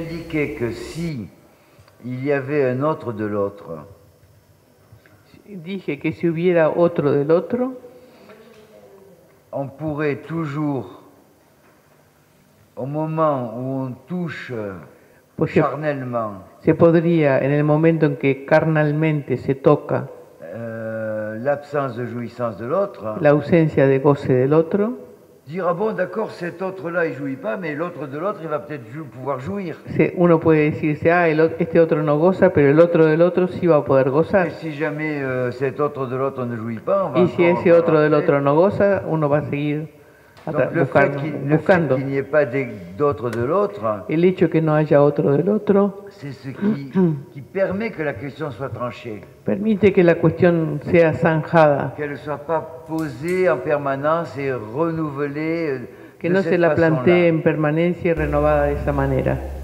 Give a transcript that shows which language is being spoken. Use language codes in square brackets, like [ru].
[fr] Que si il y avait un autre de l'autre. [es] Dije que si hubiera otro del otro, [fr] on pourrait toujours, au moment où on touche pues charnellement, [es] se podría en el momento en que carnalmente se toca [fr] l'absence de jouissance de l'autre, [es] la ausencia de goce del otro, [fr] dire, ah bon, d'accord, cet autre-là, il jouit pas, mais l'autre de l'autre, il va peut-être pouvoir jouir. [es] Si, uno puede decirse, ah, este otro no goza, pero el otro del otro sí va a poder gozar. [fr] Et si jamais cet autre de l'autre ne jouit pas, on va [es] y si ese otro rappeler. Del otro no goza, uno va a seguir buscando. [fr] Le fait qu'il n'y ait pas d'autre de l'autre, [es] el hecho que no haya otro del otro, [fr] c'est ce qui permet que la question soit tranchée. [es] Permite que la cuestión sea zanjada. [fr] Qu'elle ne soit pas posée en permanence et renouvelée. [es] Que no se la plantee en permanencia y renovada de esa manera.